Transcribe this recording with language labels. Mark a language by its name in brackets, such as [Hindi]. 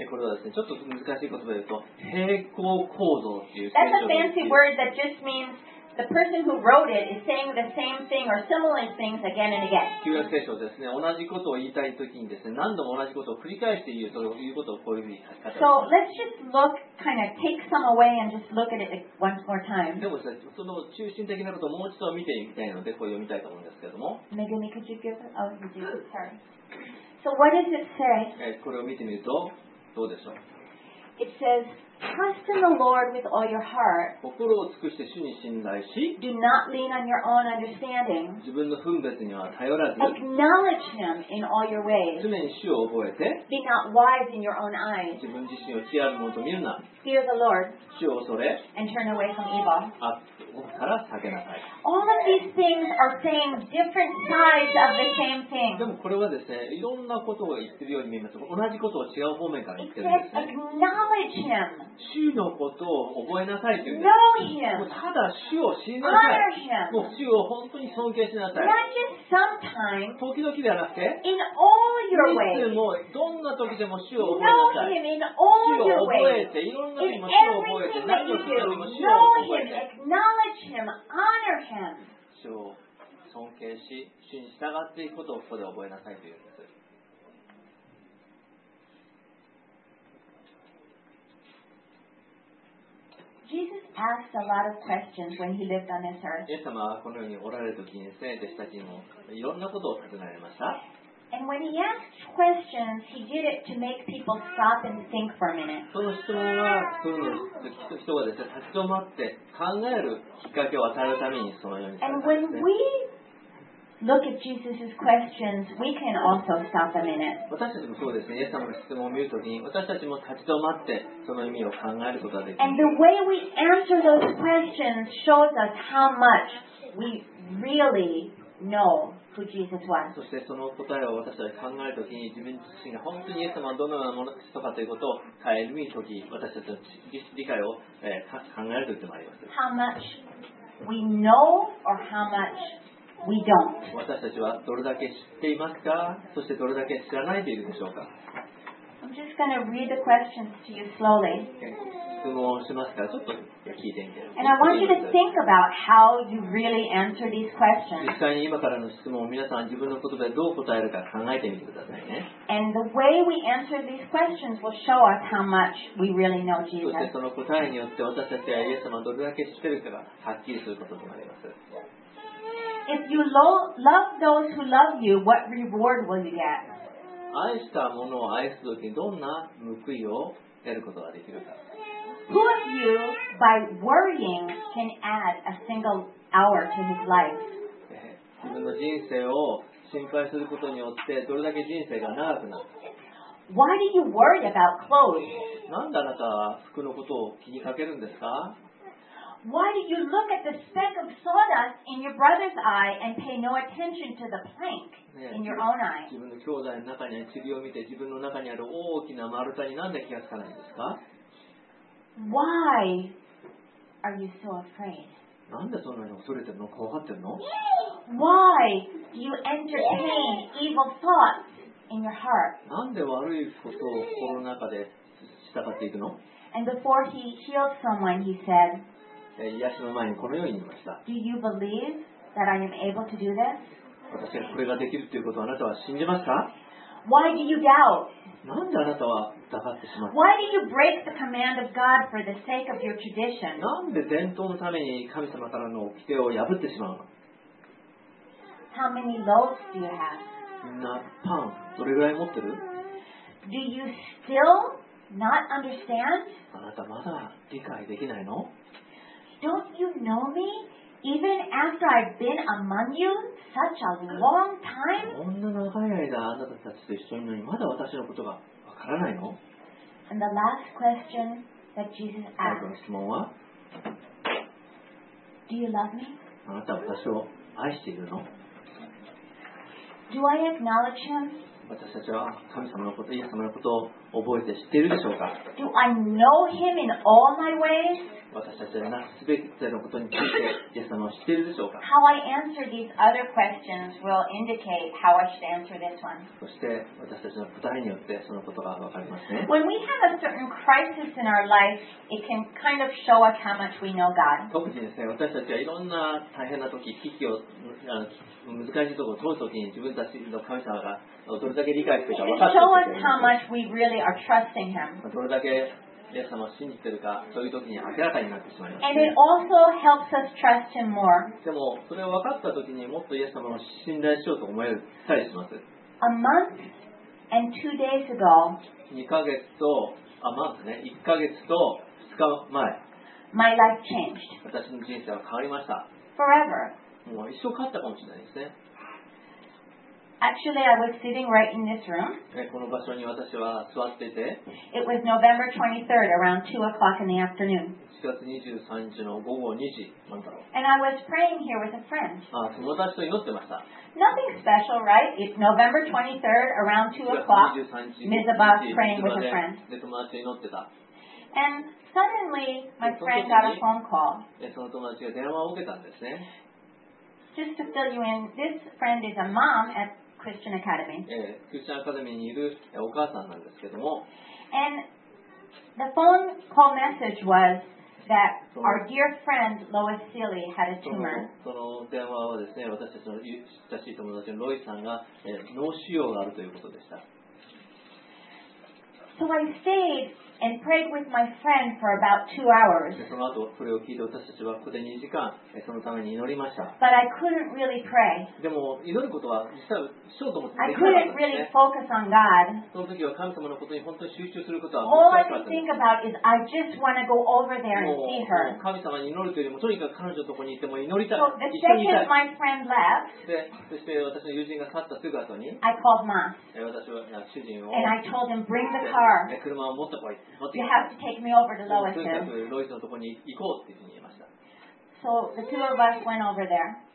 [Japanese] これはですね、ちょっと難しい言葉で言うと、平行構造っていう。 [English] That's a fancy word that just means the person who wrote it is saying the same thing or similar things again and again. [Japanese] 旧約聖書ですね、同じことを言いたいときにですね、何度も同じことを繰り返して言うということをこういうふうに書き方します。 [English] So let's just look, kind of take some away and just look at it once more time. [Japanese] でもですね、その中心的なことをもう一度見てみたいので、こう読みたいと思うんですけれども。 [English] Megumi, could you give it? Oh, you did. Sorry. So what does it say? [Japanese] これを見てみるとどうでしょう。 [English] It says, trust in the Lord with all your heart. [Japanese] 心を尽くして主に信頼し、 [English] do not lean on your own understanding. [Japanese] 自分の分別には頼らず、 [English] acknowledge him in all your ways. [Japanese] 常に主を覚えて、 [English] be not wise in your own eyes. [Japanese] 自分自身を知恵あるものと見るな。 [English] fear the Lord. [Japanese] 主を恐れ、 [English] and turn away from evil. [Japanese] 悪から避けなさい。 [English] All of these things are saying different sides of the same thing. [Japanese] でもこれはですね、いろんなことを言っているように見えます。同じことを違う方面から言ってるんですね。 [English] acknowledge him. [Japanese] 主のことを覚えなさいという [English] ね。Know him. [Japanese] もうただ主を知りなさい。 [English] Honor him. [Japanese] もう主を本当に尊敬しなさい。 [English] Not just sometimes. [Japanese] 時々ではなくて。 [English] In all your ways. [Japanese] いつもどんな時でも主を覚えなさい。 [English] Know him in all your ways. [Japanese] 主を覚えて、いろんな意味も主を覚えて、何をしても主を覚えて。 [English] Know him, acknowledge him, honor him. [Japanese] 主を尊敬し、主に従っていくことをここで覚えなさいという。 [English] Jesus asked a lot of questions when he lived on this earth. [Japanese] イエス様はこの世におられる時に生徒たちにもいろんなことを尋ねました。 [English] And when he asked questions, he did it to make people stop and think for a minute. [Japanese] その質問は、その人がですね、立ち止まって考えるきっかけを与えるためにそのようにされたんですね。 [English] And when we look at Jesus' questions, we can also stop a minute. [Japanese] 私たちもそうですね。イエス様の質問を見るときに、私たちも立ち止まってその意味を考えることができる。 [English] And the way we answer those questions shows us how much we really know who Jesus was. [Japanese] そしてその答えを私たちが考えるときに、自分自身が本当にイエス様はどのような人かということを顧みるとき、私たちの理解を、考えるときでもあります。 [English] How much we know or how much We don't. [Japanese] 私たちはどれだけ知っていますか、そしてどれだけ知らないでいるでしょうか。 [English] I'm just gonna read the questions to you slowly. [Japanese] 質問をしますから、ちょっと聞いてみて。 [English] And I want you to think about how you really answer these questions. [Japanese] 実際に今からの質問を皆さん自分の言葉でどう答えるか考えてみてくださいね。 [English] And the way we answer these questions will show us how much we really know Jesus. [Japanese] そしてその答えによって私たちはイエス様をどれだけ知っているかがはっきりすることになります。 [English] If you love those who love you, what reward will you get? [Japanese] 愛したものを愛すときにどんな報いを得ることができるか。 [English] Who of you, by worrying, can add a single hour to his life? [Japanese] 自分の人生を心配することによってどれだけ人生が長くなるか。 [English] Why do you worry about clothes? [Japanese] なんであなたは服のことを気にかけるんですか？ [English] Why do you look at the speck of sawdust in your brother's eye and pay no attention to the plank in your own eye? [Japanese] 自分の兄弟の中にある塵を見て自分の中にある大きな丸太になんで気がつかないんですか？ [English] Why are you so afraid? [Japanese] なんでそんなに恐れてるの？怖がってるの？ [English] Why do you entertain evil thoughts in your heart? [Japanese] なんで悪いことを心の中で従っていくの？ [English] And before he healed someone, he said, [Japanese] 癒しの前にこのように言いました。 [English] Do you believe that I am able to do this? [Japanese] 私がこれができるということをあなたは信じますか？ [English] Why do you doubt? [Japanese] なんであなたは疑ってしまったの？ [English] Why do you break the command of God for the sake of your tradition? [Japanese] なんで伝統のために神様からの規定を破ってしまうの？ [English] How many loaves do you have? [Japanese] みんなパンどれぐらい持ってる？ [English] Do you still not understand? [Japanese] あなたまだ理解できないの？ [English] Don't you know me, even after I've been among you such a long time? [Japanese] こんな長い間あなたたちと一緒にいるのにまだ私のことがわからないの？ [English] And the last question that Jesus asked. [Japanese] 最後の質問は？ [English] Do you love me? [Japanese] あなたは私を愛しているの？ [English] Do I acknowledge him? [Japanese] 私たちは神様のこと、イエス様のことを覚えて知っているでしょうか。 [English] Do I know him in all my ways? [Japanese] 私たちはなすべきのことについてイエス様を知っているでしょうか。 [English] How I answer these other questions will indicate how I should answer this one. [Japanese] そして私たちの答えによってそのことがわかりますね。 [English] When we have a certain crisis in our life, it can kind of show us how much we know God. [Japanese] 特にですね、私たちはいろんな大変な時、危機を難しいところを通すときに自分たちの神様がどれだけ理解してるか分かってくるか [English] really are trusting him. [Japanese] どれだけイエス様を信じているかそういう時に明らかになってしまいます、ね、 [English] And it also helps us trust him more. [Japanese] でもそれを分かったときにもっとイエス様を信頼しようと思えたりします。 [English] A month and 2 days ago, [Japanese] 2ヶ月と、あ、まずね、1ヶ月と2日前、 [English] My life changed. [Japanese] 私の人生は変わりました。 [English] Forever. [Japanese] もう一生変わったかもしれないですね。 [English] Actually, I was sitting right in this room. [Japanese] この場所に私は座っていて。 [English] It was November 23rd, around 2 o'clock in the afternoon. [Japanese] 7月23日の午後2時なんだろう。 [English] And I was praying here with a friend. [Japanese] 友達と祈ってました。 [English] Nothing special, right? It's November 23rd, around 2 o'clock. Ms. Abbas praying with a friend. [Japanese] で、友達と祈ってた。 [English] And suddenly, my friend got a phone call. [Japanese] その友達が電話を受けたんですね。 [English] Just to fill you in, this friend is a mom at Christian Academy. [Japanese] Christian Academy にいるお母さんなんですけども。 [English] And the phone call message was that our dear friend Lois Seeley had a tumor. [Japanese] その電話はですね、私たちの親しい友達のロイさんが脳腫瘍があるということでした。 [English] So I stayed and prayed with my friend for about 2 hours. [Japanese] その後それを聞いて私たちはここで2時間そのために祈りました。 [English] But I couldn't really pray. [Japanese] でも祈ることは実際しようと思ってできなかったんですね。 [English] I couldn't really focus on God. [Japanese] その時は神様のことに本当に集中することは難しかったんです。 [English] All I could think about is I just want to go over there and see her. [Japanese] 神様に祈るというよりもとにかく彼女のところに行っても祈りたい。 [English] So the second my friend left, [Japanese] そして私の友人が去ったすぐ後に、 [English] I called Ma. [Japanese] 私は主人を、 [English] And I told him bring the car. [Japanese] 車を持ってこい。 [English] You have to take me over to Lois. [Japanese] とにかくロイスのところに行こうっていうふうに言いました。 [English] So the two of us went over there.